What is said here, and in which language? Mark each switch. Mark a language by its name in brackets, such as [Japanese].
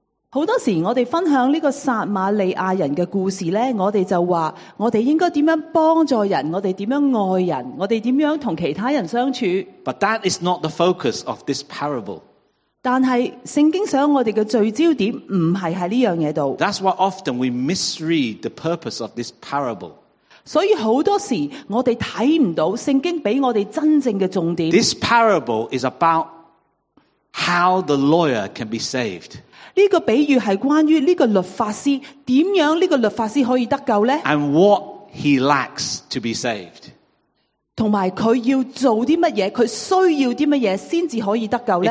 [Cantonese] 好多时我哋分享呢个撒玛利亚人嘅故事咧，我哋就话我哋应该点样帮助人，我哋点样爱人，我哋点样同其他人相处。 [English] But that is not the focus of this parable. [Cantonese] 但系圣经想我哋嘅聚焦点唔系喺呢样嘢度。 [English] That's why often we misread the purpose of this parable. [Cantonese] 所以好多时我哋睇唔到圣经俾我哋真正嘅重点。 [English] This parable is about how the lawyer can be saved. [Cantonese] 呢个比喻系关于呢个律法师点样呢个律法师可以得救呢 [English] ？And what he lacks to be saved. [Cantonese] 同埋佢要做啲乜嘢，佢需要啲乜嘢先至可以得救呢